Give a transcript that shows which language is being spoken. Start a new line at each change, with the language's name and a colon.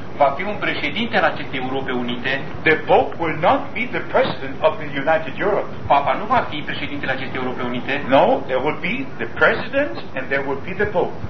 Romanian: Va fi un președinte al acestei Europe Unite.
English: The Pope will not be the president of the United Europe.
Romanian: Papa nu va fi președintele acestei Europe Unite.
English: No, there will be the president and there will be the Pope.